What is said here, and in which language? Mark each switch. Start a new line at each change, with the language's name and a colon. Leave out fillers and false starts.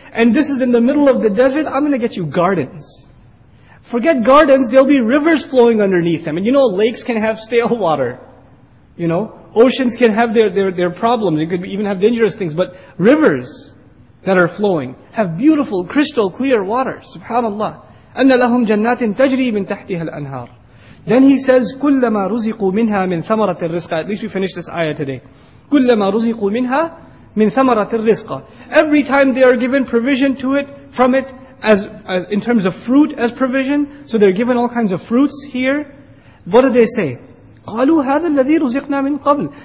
English: And this is in the middle of the desert. I'm going to get you gardens. Forget gardens. There'll be rivers flowing underneath them. And you know, lakes can have stale water. You know, oceans can have their problems. They could even have dangerous things. But rivers that are flowing have beautiful, crystal, clear water.
Arabic: SubhanAllah. أَنَّ لَهُمْ جَنَّاتٍ تَجْرِي مِنْ تَحْتِهَا الْأَنْهَارِ.
English: Then he says,
Arabic: كُلَّمَا رُزِقُوا مِنْهَا مِنْ ثَمَرَةِ الرِّزْقَ.
English: At least we finished this ayah today.
Arabic: كُلَّمَا رُزِقُوا مِنْهَا مِنْ ثَمَرَةِ الرِّزْقَ.
English: Every time they are given provision to it, from it, as in terms of fruit as provision, so they're given all kinds of fruits here, what do they say?
Arabic: قَالُوا هَذَا الَّذِي رُزِقْنَا مِنْ قَبْلِ.